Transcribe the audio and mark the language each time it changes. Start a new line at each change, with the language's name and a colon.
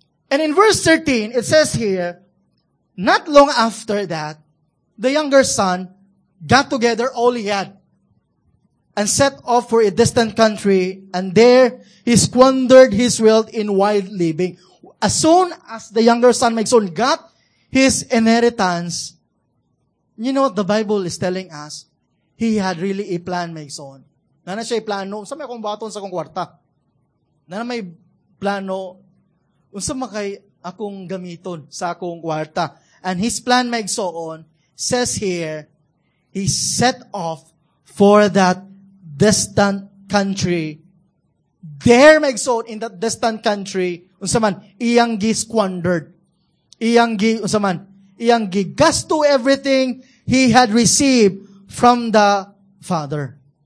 English: And in verse 13, it says here, not long after that, the younger son got together all he had and set off for a distant country, and there he squandered his wealth in wild living. As soon as the younger son, maigsoon, got his inheritance, you know what the Bible is telling us? He had really a plan, maigsoon.
Cebuano: Nana siya plano, unsa may akong baton sa akong kwarta. Nana may plano, unsa may kay akong gamiton sa akong kwarta.
English: And his plan, maigsoon, says here, he set off for that distant country. There, maigsoon, in that distant country,
Cebuano: unsa man, iyang gi-squandered. Iyang gi gasto
English: everything he had received from the Father.